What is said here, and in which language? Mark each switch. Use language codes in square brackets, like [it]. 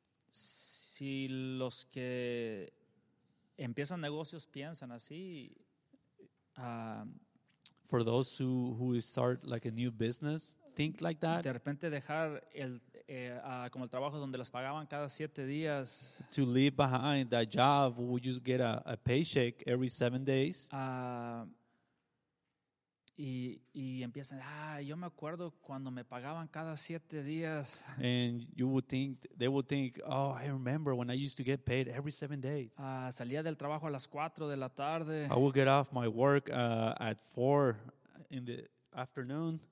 [es] Si los que empiezan negocios piensan así, [en] for those who start like a new business, think like that. [es] De repente dejar el como el trabajo donde las pagaban cada 7 días. [en] To leave behind that job, would you get a paycheck every 7 days? [es] Y empiezan, yo me acuerdo cuando me pagaban cada 7 días. [en] And you would think, they would think, oh, I remember when I used to get paid every 7 days. [es] Salía del trabajo a las 4 de la tarde. [en] I would get off my work at 4 in the afternoon.